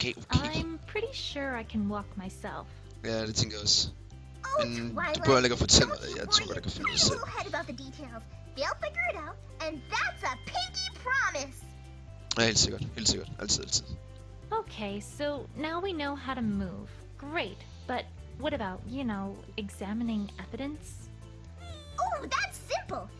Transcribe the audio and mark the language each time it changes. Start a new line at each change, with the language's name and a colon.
English: I'm pretty sure I can walk myself.
Danish: Ja, det tænker jeg også. Men du prøver ikke at fortælle mig, at jeg tror, at jeg kan finde det selv.
English: They'll figure it out, and that's a pinky promise!
Danish: Ja, helt sikkert. Altid.
English: Okay, so now we know how to move. Great, but what about, you know, examining evidence? Oh, that's simple!